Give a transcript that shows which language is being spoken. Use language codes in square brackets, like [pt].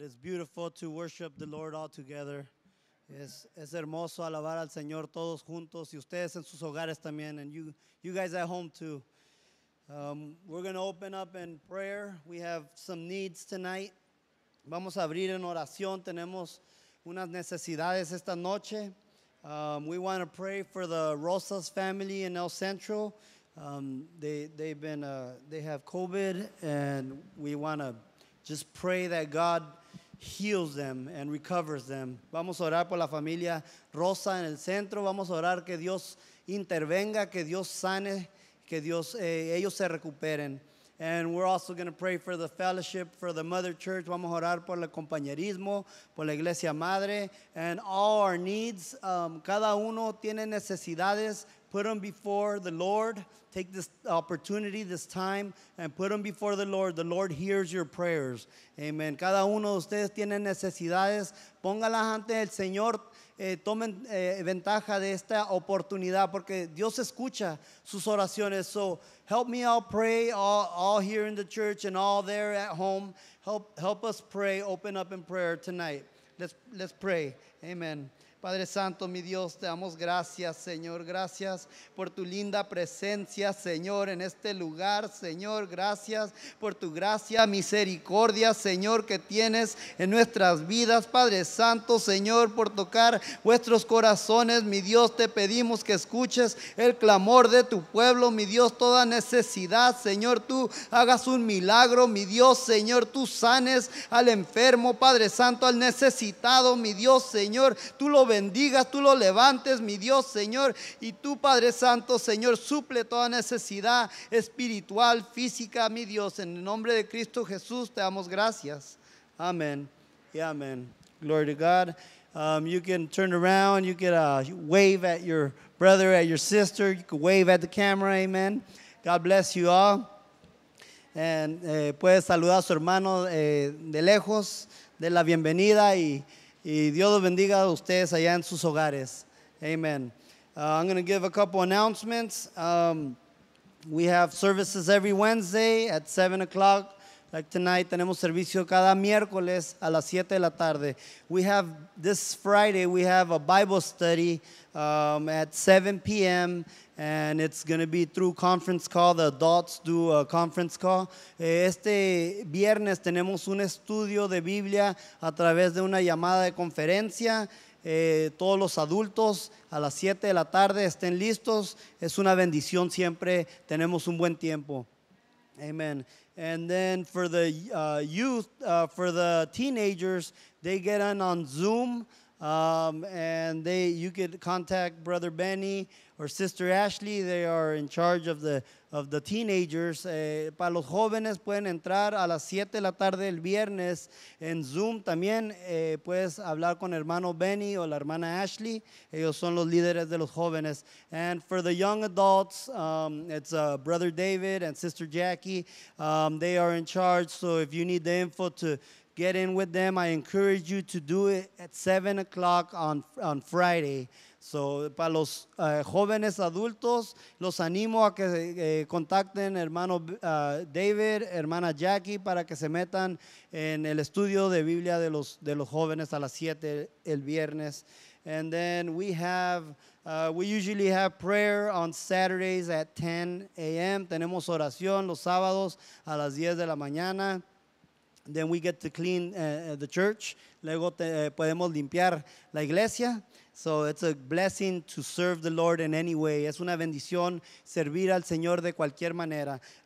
[en] It's beautiful to worship the Lord all together. [es] Es hermoso alabar al Señor todos juntos y ustedes en sus hogares también, [en] and you guys at home too. We're going to open up in prayer. We have some needs tonight. [es] Vamos a abrir en oración. Tenemos unas necesidades esta noche. [en] We want to pray for the Rosas family in El Centro. They have COVID, and we want to just pray that God heals them and recovers them. [es] Vamos a orar por la familia Rosa en el centro. Vamos a orar que Dios intervenga, que Dios sane, que Dios ellos se recuperen. [en] And we're also going to pray for the fellowship, for the mother church. [es] Vamos a orar por el compañerismo, por la iglesia madre, [en] and all our needs. [es] Cada uno tiene necesidades. [en] Put them before the Lord. Take this opportunity, this time, and put them before the Lord. The Lord hears your prayers. Amen. [es] Cada uno de ustedes tiene necesidades. Póngalas ante el Señor. Tomen ventaja de esta oportunidad porque Dios escucha sus oraciones. [en] So help me all pray, all here in the church and all there at home. Help us pray, open up in prayer tonight. Let's pray. Amen. [es] Padre Santo, mi Dios, te damos gracias, Señor. Gracias por tu linda presencia, Señor, en este lugar, Señor. Gracias por tu gracia, misericordia, Señor, que tienes en nuestras vidas. Padre Santo, Señor, por tocar vuestros corazones, mi Dios, te pedimos que escuches el clamor de tu pueblo, mi Dios, toda necesidad, Señor, tú hagas un milagro, mi Dios, Señor, tú sanes al enfermo, Padre Santo, al necesitado, mi Dios, Señor, tú lo bendigas, tú lo levantes, mi Dios, Señor, y tú, Padre Santo, Señor, suple toda necesidad espiritual, física, mi Dios, en el nombre de Cristo Jesús, te damos gracias. [en] Amen. Yeah, amen. Glory to God. You can turn around, you can wave at your brother, at your sister, you can wave at the camera, amen. God bless you all. [es] And puedes saludar a su hermano de lejos, de la bienvenida y Dios los bendiga a ustedes allá en sus hogares. [en] Amen. I'm going to give a couple announcements. We have services every Wednesday at 7 o'clock. Like tonight, [es] tenemos servicio cada miércoles a las 7 de la tarde. [en] We have, this Friday, we have a Bible study at 7 p.m. And it's going to be through conference call. The adults do a conference call. [es] Este viernes tenemos un estudio de Biblia a través de una llamada de conferencia. Todos los adultos a las 7 de la tarde estén listos. Es una bendición siempre. Tenemos un buen tiempo. Amen. [en] And then for the youth, for the teenagers, they get on Zoom. You could contact Brother Benny or Sister Ashley. They are in charge of the teenagers. [es] Para los jóvenes pueden entrar a las 7 de la tarde el viernes en Zoom. También puedes hablar con hermano Benny o la hermana Ashley. Ellos son los líderes de los jóvenes. [en] And for the young adults, it's Brother David and Sister Jackie. They are in charge. So if you need the info to get in with them, I encourage you to do it at 7 o'clock on Friday. [es] So, para los jóvenes adultos, los animo a que contacten hermano David, hermana Jackie, para que se metan en el estudio de Biblia de los jóvenes a las 7 el viernes. [en] And then we have, we usually have prayer on Saturdays at 10 a.m. [es] Tenemos oración los sábados a las 10 de la mañana. [en] Then we get to clean the church. [es] Luego podemos limpiar la iglesia. [en] So it's a blessing to serve the Lord in any way. [es] Es una bendición servir al Señor de cualquier manera.